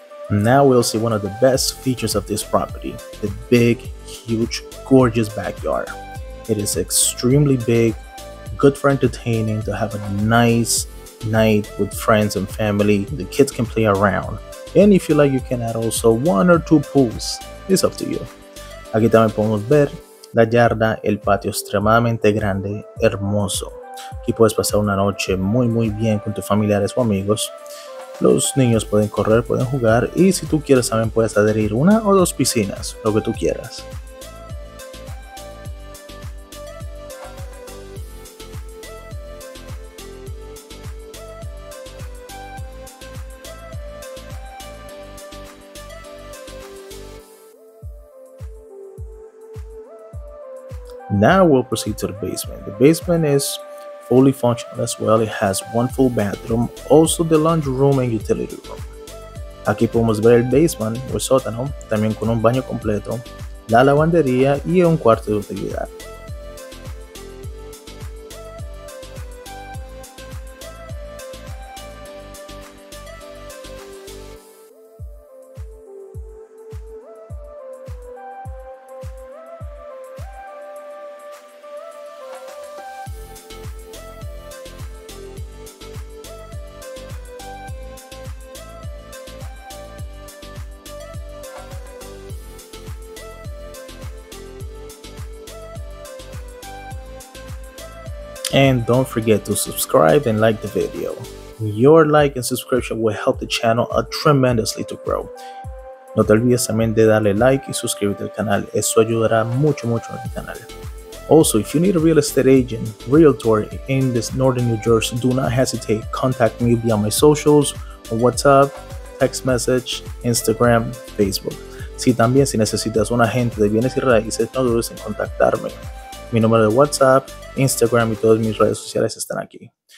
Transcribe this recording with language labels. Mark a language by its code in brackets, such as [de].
[en] Now we'll see one of the best features of this property, the big, huge, gorgeous backyard. It is extremely big, good for entertaining, to have a nice night with friends and family. The kids can play around. And if you like, you can add also 1 or 2 pools. It's up to you. [es] Aquí también podemos ver la yarda, el patio extremadamente grande, hermoso. Aquí puedes pasar una noche muy, muy bien con tus familiares o amigos. Los niños pueden correr, pueden jugar, y si tú quieres también puedes adherir 1 o 2 piscinas, lo que tú quieras. [en] Now we'll proceed to the basement. The basement is fully functional as well. It has 1 full bathroom, also the laundry room and utility room. [es] Aquí podemos ver el basement o el sótano, también con un baño completo, la lavandería y un cuarto de utilidad. [en] And don't forget to subscribe and like the video. Your like and subscription will help the channel tremendously to grow. [es] No te olvides también de darle like y suscribirte al canal. Eso ayudará mucho, mucho a mi canal. [en] Also, if you need a real estate agent, Realtor in this northern New Jersey, do not hesitate. Contact me via my socials, WhatsApp, text message, Instagram, Facebook. [es] Si también si necesitas un agente de bienes y raíces, no dudes en contactarme. Mi número de WhatsApp, Instagram, y todas mis redes sociales están aquí.